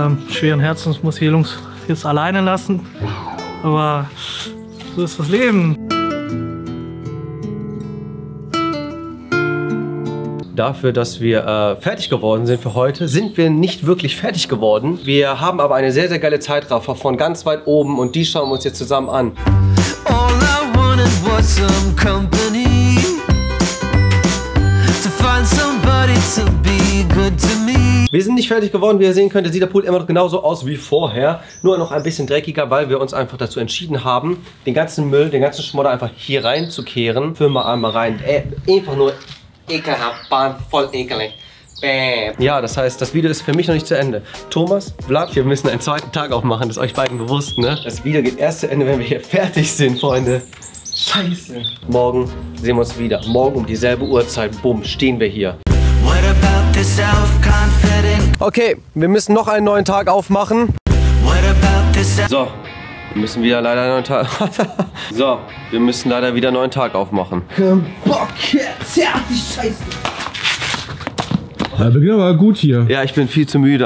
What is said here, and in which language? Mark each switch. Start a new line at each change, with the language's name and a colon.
German: Schweren Herzens muss ich die Jungs jetzt alleine lassen. Aber so ist das Leben. dafür, dass wir fertig geworden sind für heute, sind wir nicht wirklich fertig geworden. Wir haben aber eine sehr, sehr geile Zeitraffer von ganz weit oben und die schauen wir uns jetzt zusammen an.
English: All I wanted was some company. To find somebody to be good to me.
German: Wir sind nicht fertig geworden, wie ihr sehen könnt, sieht der Pool immer noch genauso aus wie vorher. Nur noch ein bisschen dreckiger, weil wir uns einfach dazu entschieden haben, den ganzen Müll, den ganzen Schmodder einfach hier reinzukehren. Füllen wir einmal rein. Einfach nur ekelhaft, voll ekelig. Ja, das heißt, das Video ist für mich noch nicht zu Ende. Thomas, Vlad, wir müssen einen zweiten Tag aufmachen, das ist euch beiden bewusst, ne? Das Video geht erst zu Ende, wenn wir hier fertig sind, Freunde. Scheiße. Morgen sehen wir uns wieder. Morgen um dieselbe Uhrzeit, bumm, stehen wir hier.
English: What about the self-confident?
German: Okay, wir müssen noch einen neuen Tag aufmachen.
English: What about the self-
German: so, wir müssen wieder leider einen neuen Tag. So, wir müssen leider wieder einen neuen Tag aufmachen. Bock, zerrt die Scheiße. Ja, Beginner war gut hier. Ja, ich bin viel zu müde.